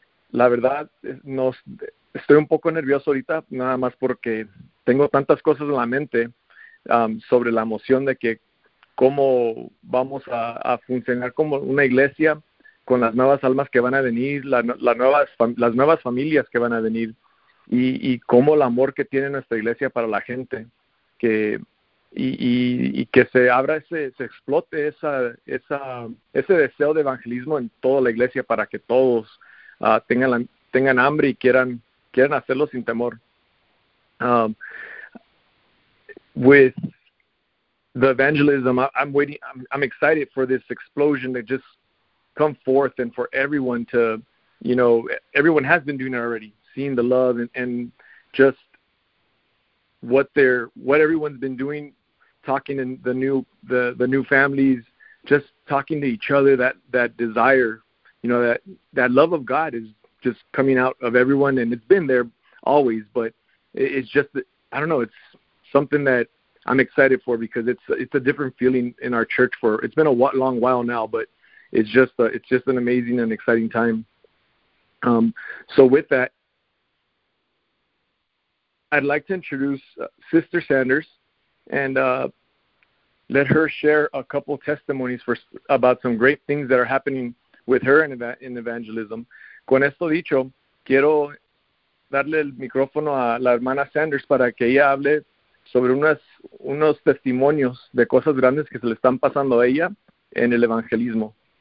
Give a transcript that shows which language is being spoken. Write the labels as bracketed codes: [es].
[es] La verdad, estoy un poco nervioso ahorita, nada más porque tengo tantas cosas en la mente sobre la emoción de que cómo vamos a funcionar como una iglesia con las nuevas almas que van a venir, las nuevas familias que van a venir, y cómo el amor que tiene nuestra iglesia para la gente, y que se abra, se explote ese deseo de evangelismo en toda la iglesia para que todos tengan hambre y quieran hacerlo sin temor. [en] With the evangelism, I'm excited for this explosion to just come forth and for everyone to, you know, everyone has been doing it already, seeing the love and just what everyone's been doing, talking in the new families, just talking to each other, that desire, you know, that love of God is just coming out of everyone, and it's been there always, but it's just, I don't know, it's something that I'm excited for because it's a different feeling in our church. For it's been a long while now, but it's just an amazing and exciting time. So with that, I'd like to introduce Sister Sanders and let her share a couple testimonies about some great things that are happening with her in evangelism. [es] Con esto dicho, quiero darle el micrófono a la hermana Sanders para que ella hable sobre unos testimonios de cosas grandes que se le están pasando a ella en el evangelismo.